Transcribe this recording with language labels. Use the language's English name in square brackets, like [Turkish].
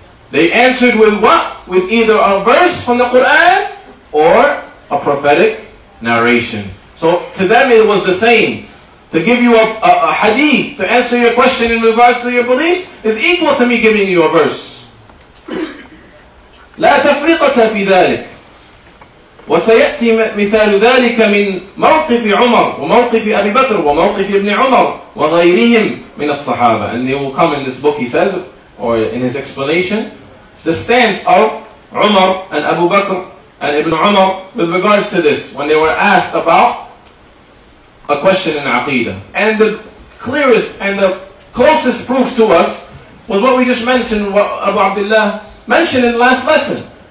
[English] They answered with what? With either a verse from the Qur'an or a prophetic narration. So to them it was the same. To give you a hadith, to answer your question in regards to your beliefs, is equal to me giving you a verse. [Arabic] لَا تَفْرِقَةَ فِي ذَلِكَ وسيأتي مثال ذلك من موقف عمر وموقف أبي بكر وموقف ابن عمر وغيرهم من الصحابة. [English] And they will come in this book, he says, or in his explanation, the stance of عمر and Abu Bakr and Ibn Umar with regards to this, when they were asked about a question in Aqidah. And the clearest and the closest proof to us was what we just mentioned, what Abu Abdullah mentioned in the last lesson.